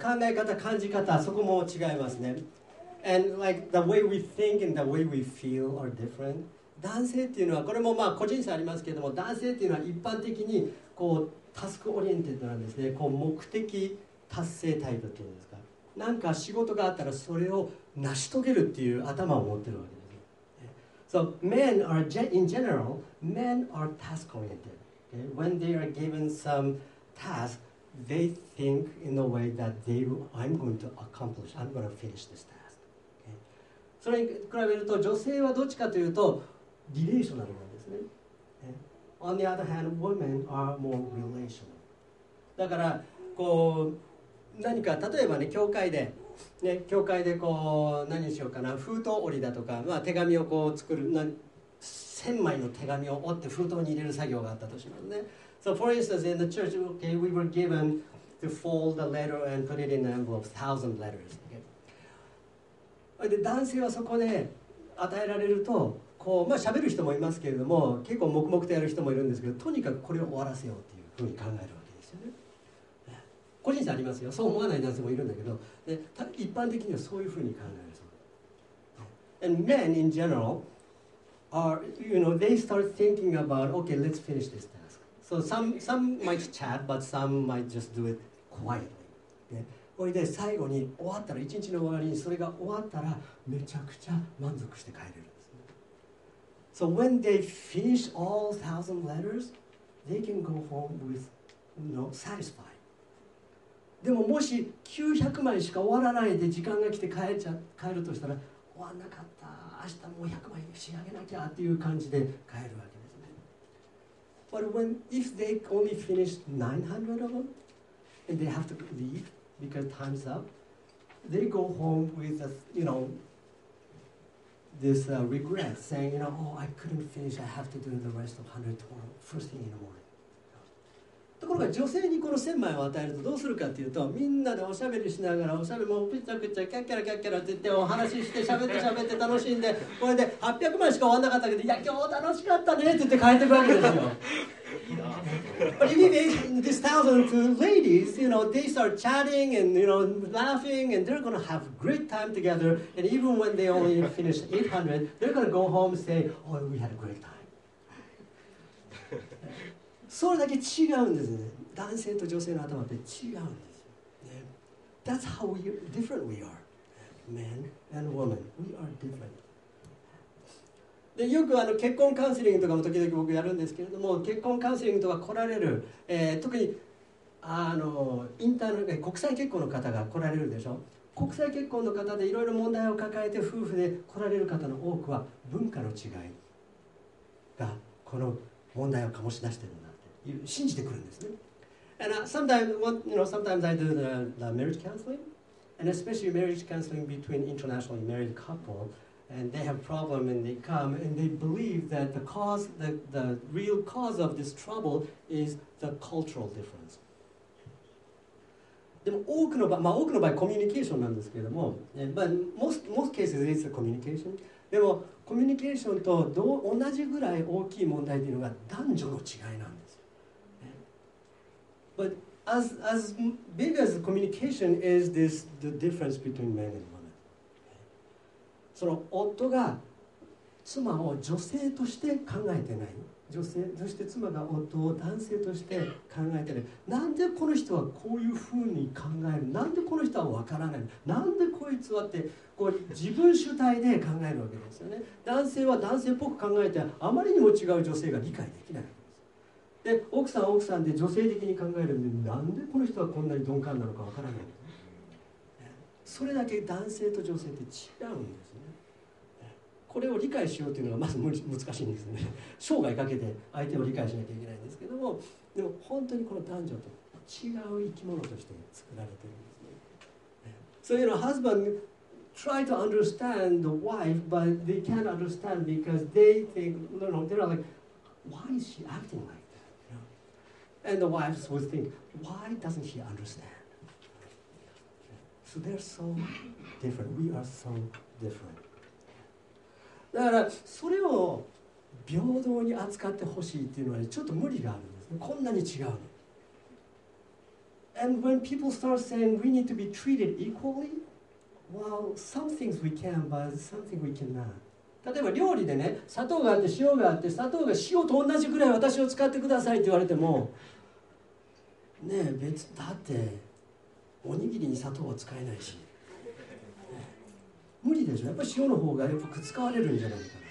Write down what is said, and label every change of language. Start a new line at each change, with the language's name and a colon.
Japanese: 考え方、感じ方、そこも違いますね。
English: And like the way we think and the way we feel are different.
Japanese: 男性っていうのは、これもまあ個人差ありますけれども、男性っていうのは一般的にこうタスクオリエンテッドなんですね。こう目的達成タイプっていうんですか。なんか仕事があったらそれを成し遂げるっていう頭を持ってるわけです。
English: So men are, in general, men are task oriented.、Okay? When they are given some task,They think in a way that they I'm going to accomplish. I'm going to finish this task.、Okay?
Japanese: それに比べると女性はどっちかというとリレーショナルなんですね。
English: Okay? On the other hand, women are more relational.
Japanese: だからこう何か例えばね教会でね教会でこう何しようかな封筒折りだとかまあ手紙をこう作る千枚の手紙を折って封筒に入れる作業があったとしますね。
English: So for instance, in the church, okay, we were given to fold the letter and put it in an envelope, 1,000 letters. Okay.
Japanese: で男性はそこで与えられると、こうまあ喋る人もいますけれども、結構黙々とやる人もいるんですけど、とにかくこれを終わらせようっていうふうに考えるわけですよね。個人差ありますよ。そう思わない男性もいるんだけど、で一般的にはそういうふうに考えるそう。
English: And men in general are, you know, they start thinking about, okay, let's finish this. So some might chat, but some might just do it quietly.
Japanese: それで最後に終わったら、一日の終わりにそれが終わったら、めちゃくちゃ満足して帰れるんですね。
English: So when they finish all 1,000 letters, they can go home with no satisfied.
Japanese: でももし900枚しか終わらないで時間が来て帰るとしたら、終わんなかった、明日もう100枚仕上げなきゃっていう感じで帰るわけ。
English: But when, if they only finish 900 of them, and they have to leave because time's up, they go home with a, you know, this regret, saying, you know, oh, I couldn't finish, I have to do the rest of 100 tomorrow, first thing in the morning.
Japanese: ところが女性にこの1000枚を与えるとどうするかというと、みんなでおしゃべりしながら、おしゃべりもぴちゃくちゃ、キャッキャラキャッキャラって言って、お話しして、しゃべってしゃべって楽しんで、これで800枚しか終わらなかったけど、いや、今日楽しかったねって言って帰ってくるわけですよ。
English: But if you make this thousand to ladies, you know, they start chatting and, you know, laughing, and they're going to have great time together. And even when they only finish 800, they're going to go home and say, oh, we had a great time. So, like, it's different.
Japanese: 男性と女性の頭って違うんですよ。
English: That's how different we are. Men and women, we are different.
Japanese: でよくあの結婚カウンセリングとかも時々僕やるんですけれども、結婚カウンセリングとか来られる、特にあのインターの国際結婚の方が来られるでしょ。国際結婚の方でいろいろ問題を抱えて夫婦で来られる方の多くは文化の違いがこの問題を醸し出してるんだっていう信じてくるんですね。
English: And sometimes I do the marriage counseling, and especially marriage counseling between internationally married couple, and they have problem and they come and they believe that the cause, the real cause of this trouble is the cultural difference.
Japanese: でも多くの場合コミュニケーションなんですけれども、
English: but most cases it's a communication.
Japanese: でもコミュニケーションと同じぐらい大きい問題というのが男女の違いなんです。
English: But as big as communication is this the difference between men and women.
Japanese: その夫が妻を女性として考えてない、女性そして妻が夫を男性として考えてない、なんでこの人はこういうふうに考える、なんでこの人は分からない、なんでこいつはって、こう自分主体で考えるわけですよね。男性は男性っぽく考えて、あまりにも違う女性が理解できない。で奥さんは奥さんで女性的に考えるんで、なんでこの人はこんなに鈍感なのかわからない。それだけ男性と女性って違うんですね。これを理解しようというのがまず難しいんですね。生涯かけて相手を理解しなきゃいけないんですけども、でも本当にこの男女と違う生き物として作られているんですね。
English: So you know, husband try to understand the wife, but they can't understand because they think, you know, they're like, why is she acting like? And the wives would think, why doesn't he understand? So they're so different. We are so different.
Japanese: だからそれを平等に扱ってほしいっていうのはちょっと無理があるんですね。こんなに違うの。
English: And when people start saying we need to be treated equally, well, some things we can, but some things we cannot.
Japanese: 例えば料理でね、砂糖があって塩があって、砂糖が塩と同じくらい私を使ってくださいって言われても、ねえ、別だっておにぎりに砂糖は使えないし、ね、無理でしょ。やっぱ塩の方がよく使われるんじゃないかな。